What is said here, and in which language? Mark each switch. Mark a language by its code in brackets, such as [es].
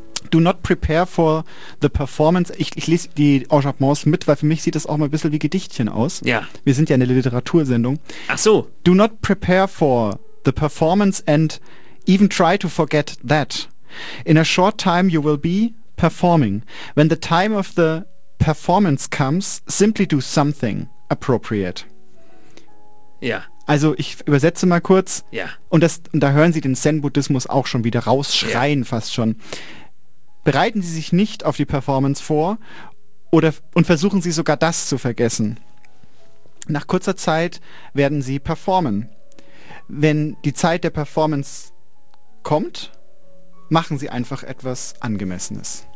[en] Do not prepare for the performance. [de] Ich lese die Enchantements mit, weil für mich sieht das auch mal ein bisschen wie Gedichtchen aus. Ja. Wir sind ja eine Literatursendung. Ach so. [en] Do not prepare for the performance and even try to forget that. In a short time you will be performing. When the time of the performance comes, simply do something appropriate. [de] Ja. Also ich übersetze mal kurz. Ja. Und da hören Sie den Zen-Buddhismus auch schon wieder rausschreien fast schon. Bereiten Sie sich nicht auf die Performance vor und versuchen Sie sogar das zu vergessen. Nach kurzer Zeit werden Sie performen. Wenn die Zeit der Performance kommt, machen Sie einfach etwas Angemessenes.